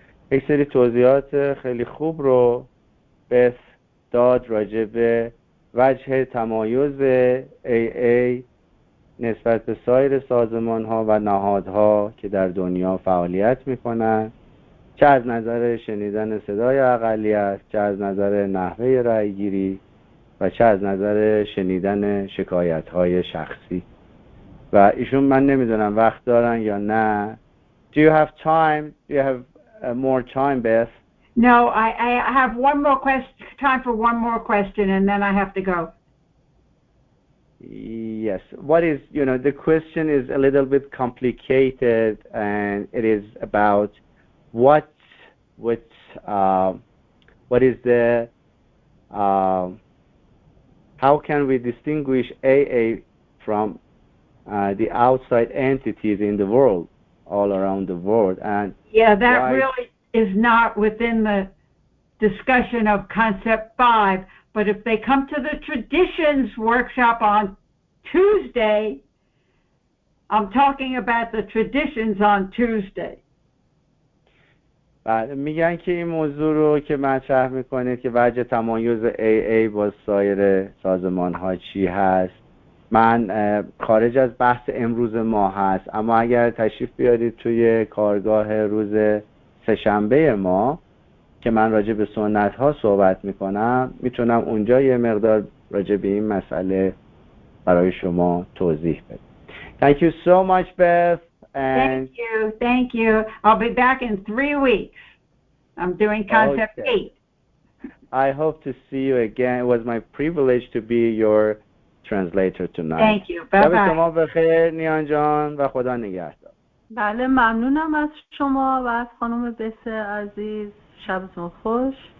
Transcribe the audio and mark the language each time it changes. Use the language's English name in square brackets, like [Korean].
[Persian] یک سری توضیحات خیلی خوب رو بس داد راجع به وجه تمایز AA نسبت به سایر سازمان ها و نهادها که در دنیا فعالیت می کنن، چه از نظر شنیدن صدای اقلیت، چه از نظر نحوه رای گیری و چه از نظر شنیدن شکایت های شخصی. و ایشون من نمیدونم وقت دارن یا نه. [English] Do you have time? Do you have more time, Beth? No, I have one more question, time for one more question and then I have to go. Yes. What is, you know, the question is a little bit complicated and it is about how can we distinguish AA from the outside entities in the world, all around the world? And yeah, that really is not within the discussion of concept 5. But if they come to the traditions workshop on Tuesday, I'm talking about the traditions on Tuesday. [Persian] بله، میگن که این موضوع رو که مطرح میکنید که وجه تمایز AA با سایر سازمان ها چی هست، من خارج از بحث امروز ما هست، اما اگر تشریف بیارید توی کارگاه روز سه‌شنبه ما که من راجع به سنت ها صحبت میکنم، میتونم اونجا یه مقدار راجع به این مسئله برای شما توضیح بدم. [English] Thank you so much, Beth. And Thank you. I'll be back in 3 weeks. I'm doing concept 8. I hope to see you again. It was my privilege to be your translator tonight. Thank you. Bye-bye. [Persian] شب شما بخیر نیان جان و خدا نگهدار. بله ممنونم از شما و از خانم بسه عزیز. شبتون خوش.